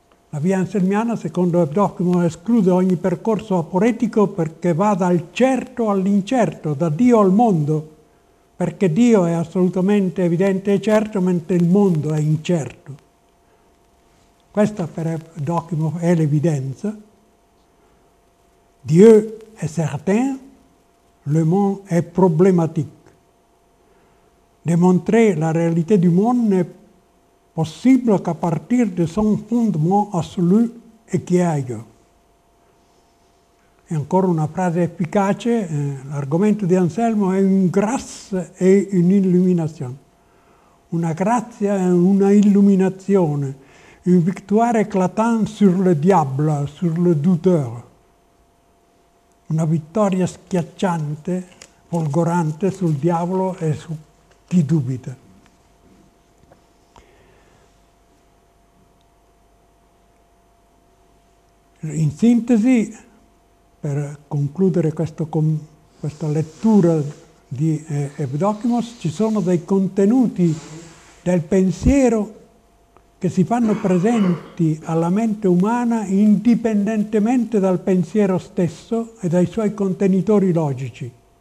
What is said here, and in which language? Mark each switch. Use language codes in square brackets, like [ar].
[it] La via anselmiana, secondo Evdokimov, esclude ogni percorso aporetico perché va dal certo all'incerto, da Dio al mondo, perché Dio è assolutamente evidente e certo, mentre il mondo è incerto. Questa per Evdokimov è l'evidenza. [fr] Dieu est certain, le monde est problématique. Démontrer la réalité du monde possible qu'à partir de son fondement absolu et chiaro. [it] E ancora una frase efficace, l'argomento di Anselmo è [fr] un grâce et une illumination. [it] Una grazia e una illuminazione, [fr] un victoire éclatant sur le diable, sur le douteur. [it] Una vittoria schiacciante, folgorante sul diavolo e su chi dubita. In sintesi, per concludere questa lettura di Evdokimov, ci sono dei contenuti del pensiero che si fanno presenti alla mente umana indipendentemente dal pensiero stesso e dai suoi contenitori logici.